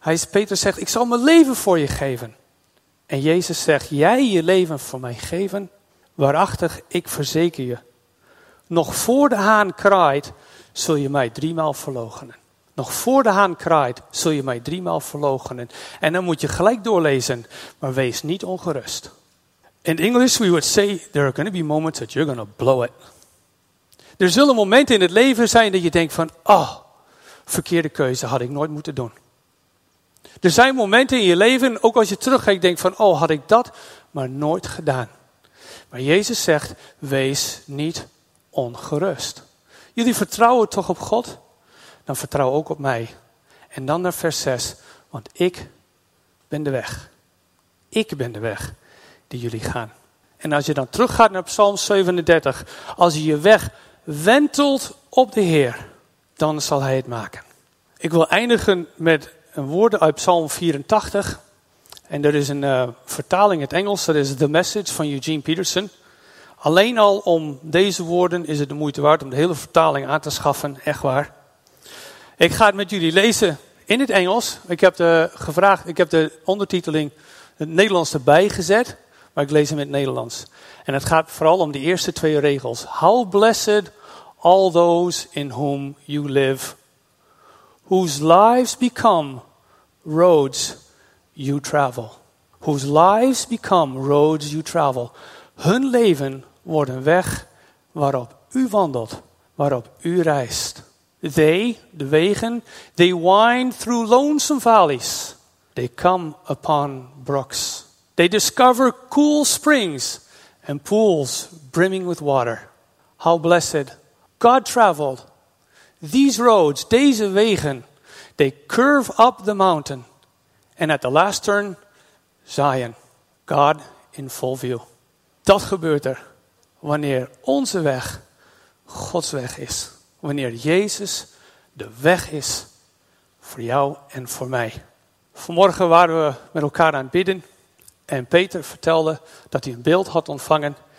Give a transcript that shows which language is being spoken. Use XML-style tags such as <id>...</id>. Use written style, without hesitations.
<nl>Petrus zegt, ik zal mijn leven voor je geven. En Jezus zegt, jij je leven voor mij geven? Waarachtig, ik verzeker je. Nog voor de haan kraait, zul je mij driemaal verloochenen. Nog voor de haan kraait, zul je mij driemaal verloochenen. En dan moet je gelijk doorlezen, maar wees niet ongerust.</nl> <en>In English we would say, there are going to be moments that you're going to blow it.</en> <nl>Er zullen momenten in het leven zijn dat je denkt van, oh, verkeerde keuze had ik nooit moeten doen. Er zijn momenten in je leven, ook als je terugkijkt, denk van, oh, had ik dat maar nooit gedaan. Maar Jezus zegt, wees niet ongerust. Jullie vertrouwen toch op God? Dan vertrouw ook op mij. En dan naar vers 6, want ik ben de weg. Ik ben de weg die jullie gaan. En als je dan teruggaat naar Psalm 37, als je je weg wentelt op de Heer, dan zal hij het maken. Ik wil eindigen met een woord uit Psalm 84. En er is een vertaling in het Engels, dat is The Message van Eugene Peterson. Alleen al om deze woorden is het de moeite waard om de hele vertaling aan te schaffen, echt waar. Ik ga het met jullie lezen in het Engels. Ik heb de ondertiteling het Nederlands erbij gezet, maar ik lees hem in het Nederlands. En het gaat vooral om de eerste twee regels.</nl> <en>How blessed all those in whom you live, whose lives become roads you travel. Whose lives become roads you travel.</en> <nl>Hun leven wordt een weg waarop u wandelt, waarop u reist.</nl> <en>They,</en> <nl>de wegen,</nl> <en>they wind through lonesome valleys. They come upon brooks. They discover cool springs and pools brimming with water. How blessed God traveled. These roads,</en> <nl>deze wegen,</nl> <en>they curve up the mountain. And at the last turn, Zion, God in full view.</en> <nl>Dat gebeurt er wanneer onze weg Gods weg is. Wanneer Jezus de weg is voor jou en voor mij. Vanmorgen waren we met elkaar aan het bidden. En Peter vertelde dat hij een beeld had ontvangen.</nl>